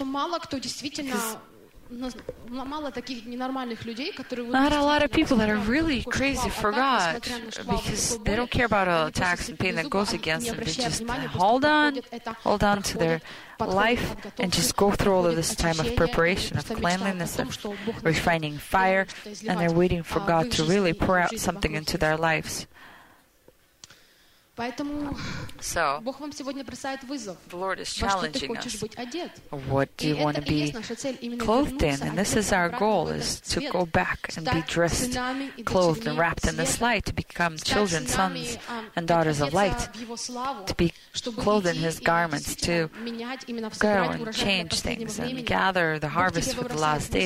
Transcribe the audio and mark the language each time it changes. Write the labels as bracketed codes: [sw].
[en] not a lot of people that are really crazy for God, because they don't care about all the tax and pain that goes against them. They just hold on to their life and just go through all of this time of preparation, of cleanliness, of refining fire, and they're waiting for God to really pour out something into their lives. [ru] So, Бог вам сегодня бросает вызов. [en] The Lord is challenging us. What do you want to be clothed in? And this is our goal, is to go back and be dressed, clothed and wrapped in this light, to become children, sons and daughters of light, to be clothed in His garments, to go and change things and gather the harvest for the last day.